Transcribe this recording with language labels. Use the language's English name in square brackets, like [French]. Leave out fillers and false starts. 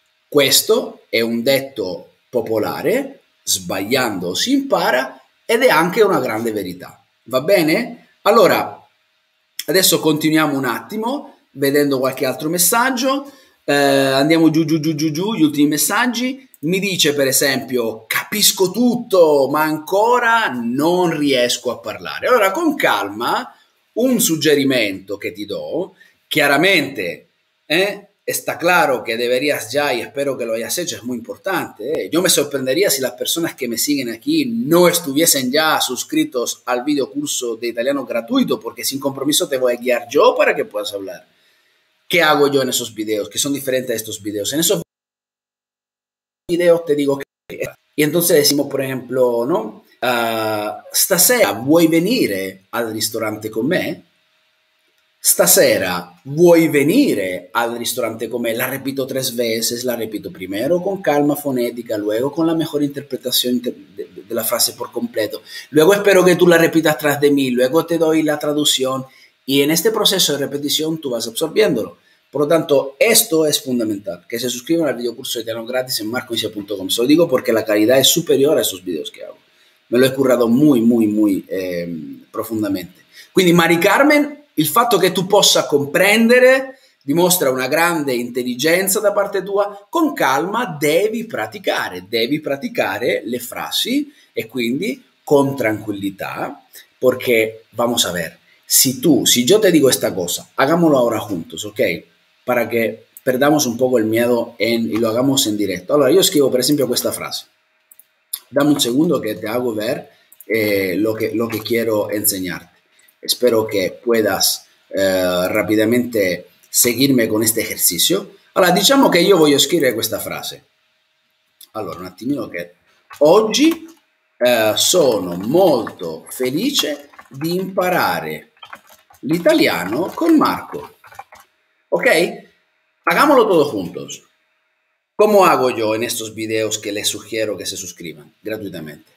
[Italian] Questo è un detto popolare, sbagliando si impara, ed è anche una grande verità. Va bene? Allora, adesso continuiamo un attimo, vedendo qualche altro messaggio. andiamo giù, giù, giù, giù, giù, gli ultimi messaggi. Mi dice, per esempio, capisco tutto, ma ancora non riesco a parlare. Allora, con calma, un suggerimento che ti do, chiaramente, [Spanish] está claro que deberías ya, y espero que lo hayas hecho, es muy importante. Yo me sorprendería si las personas que me siguen aquí no estuviesen ya suscritos al video curso de italiano gratuito, porque sin compromiso te voy a guiar yo para que puedas hablar. ¿Qué hago yo en esos videos? ¿Qué son diferentes a estos videos? En esos videos te digo que. Y entonces decimos, por ejemplo, ¿no? [Italian] Stasera vuoi venire al ristorante con me? Stasera vuoi venire al ristorante con me? [Spanish] La repito 3 veces, la repito primero con calma fonética, luego con la mejor interpretación de la frase por completo. Luego espero que tú la repitas tras de mí, luego te doy la traducción y en este proceso de repetición tú vas absorbiéndolo. Por lo tanto, esto es fundamental, que se suscriban al videocurso de italiano gratis en marcoicia.com. Se lo digo porque la calidad es superior a esos videos que hago. Me lo he currado muy, muy, muy profundamente. [Italian] Quindi, Mari Carmen, il fatto che tu possa comprendere dimostra una grande intelligenza da parte tua. Con calma devi praticare le frasi e quindi con tranquillità, perché [Spanish] vamos a ver, si yo te digo esta cosa, hagámoslo ahora juntos, ¿ok? Para que perdamos un poco el miedo y lo hagamos en directo. Allora, yo escribo, por ejemplo, esta frase. Dame un segundo que te hago ver lo que quiero enseñarte. Espero que puedas rápidamente seguirme con este ejercicio. Ahora, digamos que yo voy a escribir esta frase. [Italian] Allora, un attimino que. Oggi sono molto felice di imparare l'italiano con Marco. Ok? [Spanish] Hagámoslo todos juntos. ¿Cómo hago yo en estos videos que les sugiero que se suscriban gratuitamente?